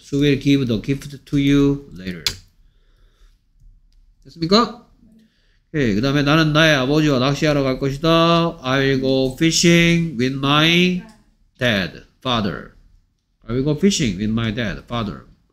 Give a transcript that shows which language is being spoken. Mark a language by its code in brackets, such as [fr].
[en] So we'll give the gift to you later. [ko] 됐습니까? 오케이. 그 다음에 나는 나의 아버지와 낚시하러 갈 것이다. [en] I will go fishing with my dad, father. I will go fishing with my dad, father.